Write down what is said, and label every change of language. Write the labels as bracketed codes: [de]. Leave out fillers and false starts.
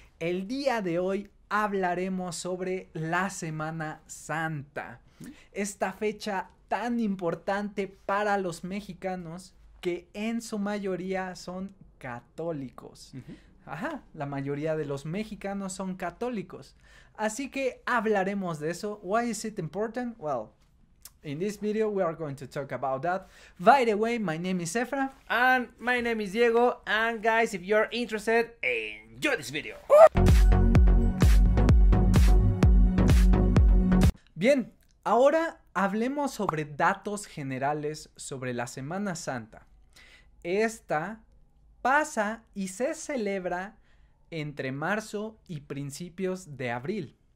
[es] El día de hoy hablaremos sobre la Semana Santa, esta fecha tan importante para los mexicanos que en su mayoría son católicos. Ajá, la mayoría de los mexicanos son católicos. Así que hablaremos de eso. [en] Why is it important? Well, in this video we are going to talk about that. By the way, my name is Efra. And my name is Diego. And guys, if you're interested, enjoy this video. [es] Bien, ahora hablemos sobre datos generales sobre la Semana Santa. Esta pasa y se celebra entre marzo y principios de abril.